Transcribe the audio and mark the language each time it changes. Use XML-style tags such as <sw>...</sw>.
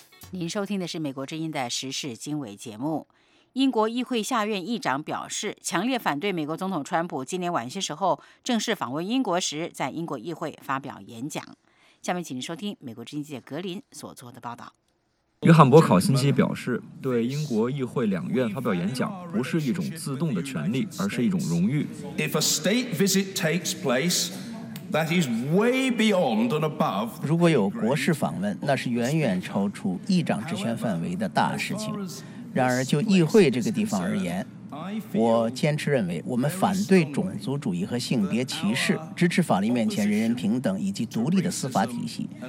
<zh>您收听的是美国之音的时事经纬节目。英国议会下院议长表示，强烈反对美国总统川普今年晚些时候正式访问英国时，在英国议会发表演讲。下面请您收听美国之音记者格林所做的报道。约翰·伯考辛基表示，对英国议会两院发表演讲不是一种自动的权利，而是一种荣誉。</zh> <en>If a state visit takes place,That is way beyond and above.</en> <zh>如果有国事访问，那是远远超出议长职权范围的大事情。然而就议会这个地方而言，我坚持认为我们反对种族主义和性别歧视，支持法律面前人人平等以及独立的司法体系。</zh>